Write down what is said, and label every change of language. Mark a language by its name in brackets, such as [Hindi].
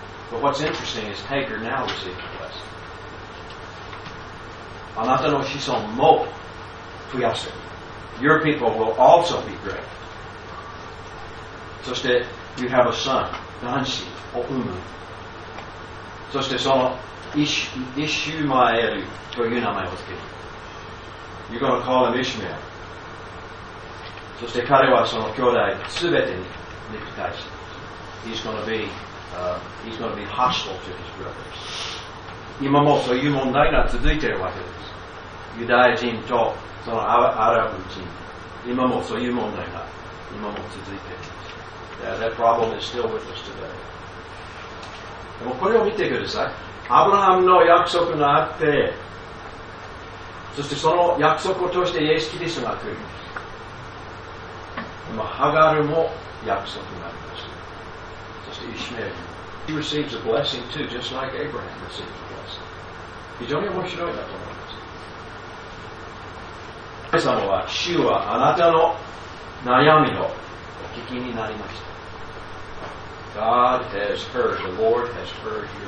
[English] But what's interesting is Hagar now received a blessing. [Japanese] あなたの子孫も増やせ。 [English] Your people will also be great. [Japanese] そして [English] you have a son, [Japanese] 男子を産む。そしてそのイシュマエルという名前を付ける。 [English] You're going to call him Ishmael. [Japanese] そして彼はその兄弟すべてに肉体します。 [English] He's going to be hostile to his brothers. [Japanese] 今もそういう問題が続いているわけです。ユダヤ人とそのアラブ人。今もそういう問題が今も続いています。 [English] Yeah, that problem is still with us today. [Japanese] でもこれを見てください。アブラハムの約束があって、そしてその約束を通してイエス・キリストが来る。ハガルも約束があります。そしてイシメル。 [English] He receives a blessing too, just like Abraham received a blessing. [Japanese] 非常に面白いなと思います。神様は、主はあなたの悩みをお聞きになりました。 [English] God has heard, the Lord has heard your misery.